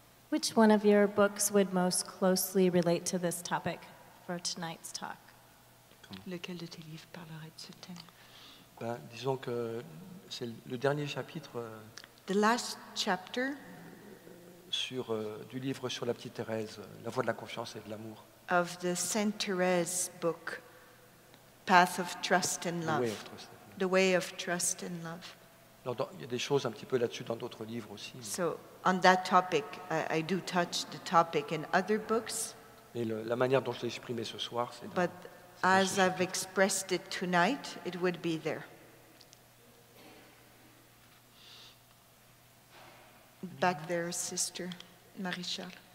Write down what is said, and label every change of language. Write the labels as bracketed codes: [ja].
[en] Which one of your books would most closely relate to this topic for tonight's talk? [fr] Lequel de tes livres parlerait de ce thème? Ben, disons que c'est le dernier chapitre. [en] The last chapter. [fr] Sur du livre sur la petite Thérèse, la voie de la confiance et de l'amour. [en] Of the Saint Thérèse book, Path of Trust and Love. The Way of Trust. The Way of Trust and Love. [fr] Alors, il y a des choses un petit peu là-dessus dans d'autres livres aussi. [en] So, on that topic, I do touch the topic in other books. [fr] Mais la manière dont je l'ai exprimé ce soir, c'est [en] But as I've expressed it tonight, it would be there. Back there, sister Marie-Charles.